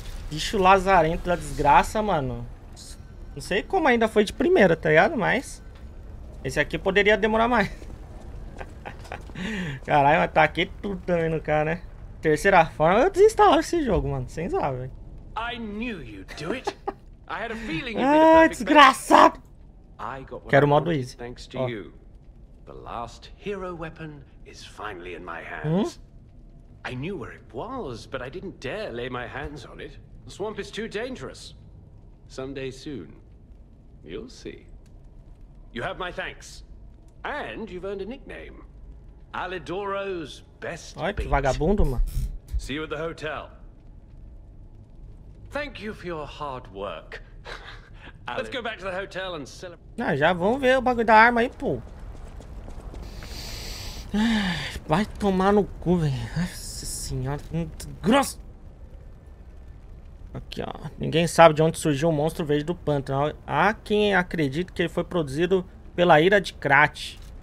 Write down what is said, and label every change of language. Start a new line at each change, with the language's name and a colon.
Portuguese: Bicho lazarento da desgraça, mano. Não sei como ainda foi de primeira, tá ligado? Mas esse aqui poderia demorar mais. Caralho, tá aqui tudo também no cara, né? Terceira forma, eu desinstalo esse jogo, mano. Sem zoar, velho.
English: I knew you'd do it. I had a feeling you'd be the perfect.
Portuguese: Ah, desgraçado! Quero o modo easy.
English: Thanks to you. The last hero weapon is finally in my hands. I knew where it was, but I didn't dare lay my hands on it. The swamp is too dangerous. Someday soon, you'll see. You have my thanks. And you've earned a nickname. Alidoro's best beat.
Portuguese: Olha que vagabundo, mano.
English: See you at the hotel. Thank you for your hard work. Let's go back to the hotel and celebrate.
Portuguese: Já vamos ver o bagulho da arma aí, pô. Vai tomar no cu, velho. Nossa senhora, muito grosso. Aqui, ó. Ninguém sabe de onde surgiu o monstro verde do pântano. Há quem acredita que ele foi produzido pela ira de Krat.